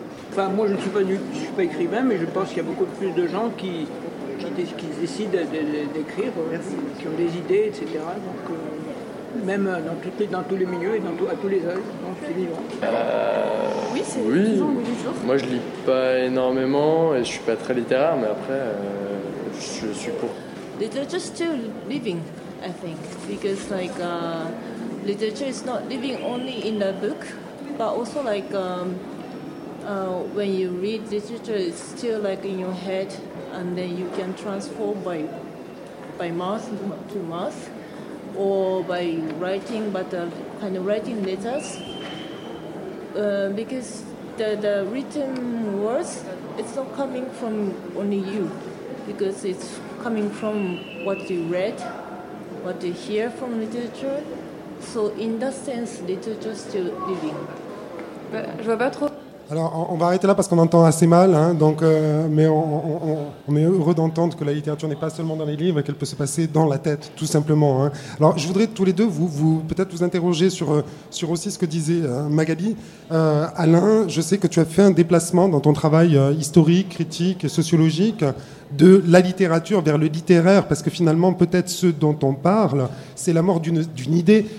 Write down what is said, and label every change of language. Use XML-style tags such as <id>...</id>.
<fr>Enfin, moi, je ne suis pas écrivain, mais je pense qu'il y a beaucoup plus de gens qui décident d'écrire, qui ont des idées, etc. Donc, même dans tous les milieux et à tous les âges. Donc, c'est vivant. Oui, c'est oui. Toujours, toujours. Moi, je lis pas énormément et je suis pas très littéraire, mais après, je suis pour.</fr> <en>Literature is still living, I think, because literature is not living only in a book, but also like when you read literature, it's still like in your head, and then you can transform by mouth to mouth, or by writing, but kind of writing letters, because the written words, it's not coming from only you, because it's coming from what you read, what you hear from literature. So in that sense, literature is still living.</en> <fr>Je vois pas trop. Alors, on va arrêter là parce qu'on entend assez mal, hein, donc, mais on est heureux d'entendre que la littérature n'est pas seulement dans les livres, qu'elle peut se passer dans la tête, tout simplement. Hein. Alors, je voudrais tous les deux vous peut-être vous interroger sur aussi ce que disait Magali. Alain, je sais que tu as fait un déplacement dans ton travail historique, critique, sociologique, de la littérature vers le littéraire, parce que finalement, peut-être ce dont on parle, c'est la mort d'une idée.</fr>